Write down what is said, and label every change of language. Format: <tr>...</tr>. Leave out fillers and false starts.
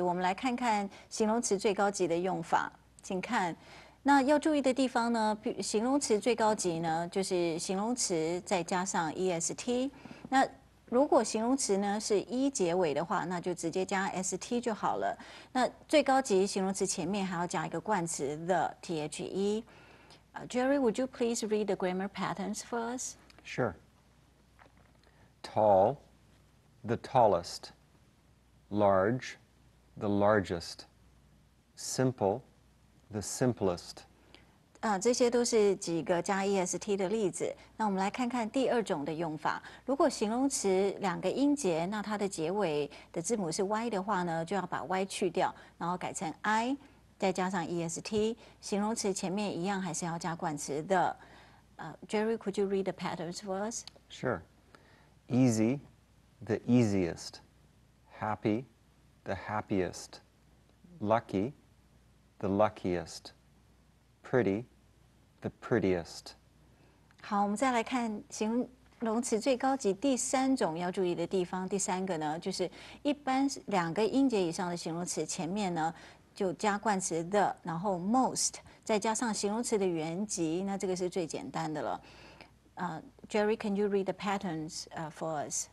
<zh>我们来看看形容词最高级的用法，请看。那要注意的地方呢，形容词最高级呢，就是形容词再加上 est。那如果形容词呢是一结尾的话，那就直接加 st 就好了。那最高级形容词前面还要加一个冠词 the the。</zh> <en>Jerry, would you please read the grammar patterns for us? Sure. Tall, the tallest. Large, the largest. Simple, the simplest.</en> <zh>这些都是几个加 est 的例子。那我们来看看第二种的用法。如果形容词两个音节，那它的结尾的字母是 y 的话呢，就要把 y 去掉，然后改成 i， 再加上 est。形容词前面一样还是要加冠词 the。</zh> <en>Jerry, could you read the patterns for us? Sure. Easy, the easiest. Happy, the happiest. Lucky, the luckiest. Pretty, the prettiest.</en> <zh>好，我们再来看形容词最高级第三种要注意的地方。第三个呢，就是一般两个音节以上的形容词前面呢就加冠词 the， 然后 most 再加上形容词的原级，那这个是最简单的了。</zh> <en>Jerry, can you read the patterns for us?</en>